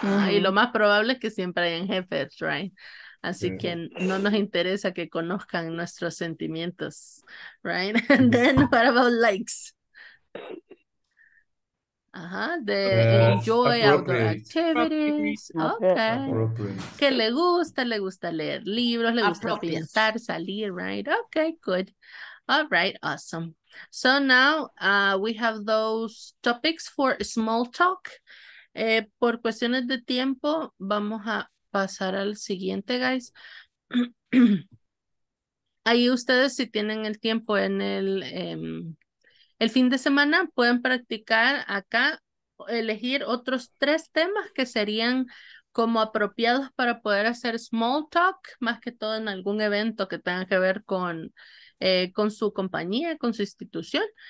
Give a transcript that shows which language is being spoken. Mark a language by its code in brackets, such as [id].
[es] Y lo más probable es que siempre hayan jefes, [en] right? [es] Así que no nos interesa que conozcan nuestros sentimientos, right? [en] And then, what about likes? Enjoy outdoor activities. Okay. [es] ¿Qué le gusta? ¿Le gusta leer libros? ¿Le gusta pintar, salir? [en] Right? Okay, good. All right, awesome. So now we have those topics for small talk. [es] Por cuestiones de tiempo, vamos a pasar al siguiente, guys. Ahí ustedes, si tienen el tiempo en el... el fin de semana pueden practicar acá, elegir otros tres temas que serían como apropiados para poder hacer small talk, más que todo en algún evento que tenga que ver con su compañía, con su institución.